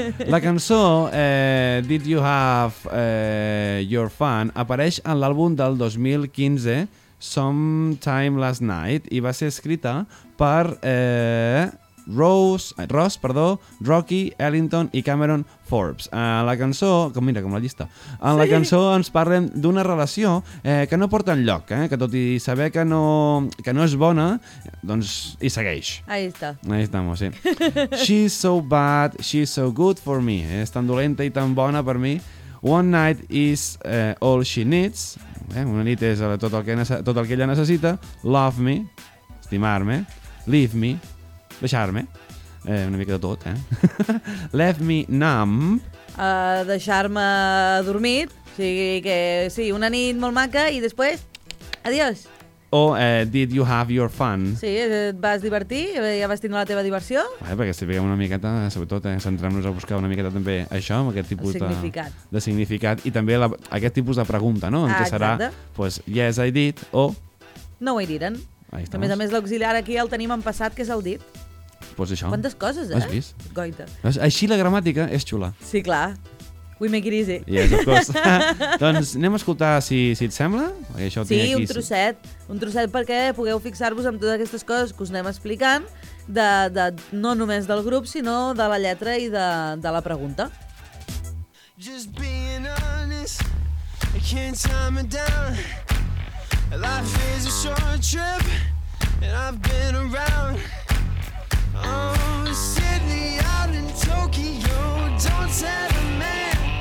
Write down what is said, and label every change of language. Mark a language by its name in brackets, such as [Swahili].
[Catalan] La cançó Did You Have Your Fun apareix en l'àlbum del 2015 Sometime Last Night i va ser escrita per Ross, Rocky, Ellington i Cameron Forbes. La cançó ens parlen d'una relació que no porta enlloc, que tot i saber que no és bona, doncs hi segueix. [Spanish] Ahí está. Ahí estamos, sí. [English] She's so bad, she's so good for me. [Catalan] És tan dolenta i tan bona per mi. [English] One night is all she needs. [Catalan] Una nit és tot el que ella necessita. [English] Love me, [Catalan] estimar-me. [English] Leave me, [Catalan] deixar-me. Una mica de tot, eh? [English] Leave me numb. [Catalan] Deixar-me adormit. O sigui que, sí, una nit molt maca i després, adiós. [English] Did you have your fun? [Catalan] Sí, et vas divertir, ja vas tindre la teva diversió. Vale, perquè si veiem una miqueta, sobretot, centrem-nos a buscar una miqueta també això, amb aquest tipus de significat. I també aquest tipus de pregunta, no? En què serà, pues, [English] yes, I did, [Catalan] o... [English] No, I didn't. [Catalan] A més, l'auxiliar aquí el tenim en passat, que és el did. Pues això. Quantes coses, eh? Has vist? Goita. Així la gramàtica és xula. Sí, clar. [English] We make it easy. Yes, of course. [Catalan] Doncs anem a escoltar si et sembla. Això sí, aquí. un trosset perquè pugueu fixar-vos en totes aquestes coses que us anem explicant, de no només del grup, sinó de la lletra i de la pregunta. [English] Just being honest, I can't tie me down. Life is a short trip and I've been around. Oh, Sydney out in Tokyo, don't tell the man.